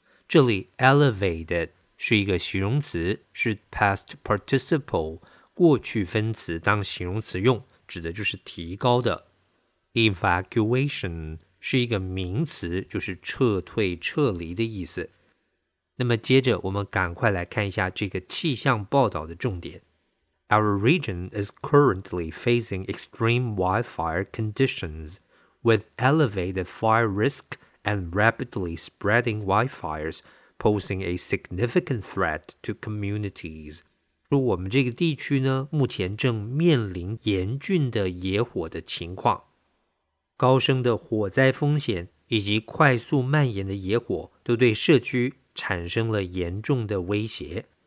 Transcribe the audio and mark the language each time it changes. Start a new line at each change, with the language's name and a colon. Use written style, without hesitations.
Chinese: 这里 elevated 是一个形容词，是 past participle 过去分词当形容词用，指的就是提高的。 Evacuation 是一个名词，就是撤退撤离的意思。那么接着我们赶快来看一下这个气象报道的重点。
English: Our region is currently facing extreme wildfire conditions with elevated fire risk and rapidly spreading wildfires posing a significant threat to communities.
Chinese: 我们这个地区呢目前正面临严峻的野火的情况。高升的火灾风险以及快速蔓延的野火都对社区产生了严重的威胁。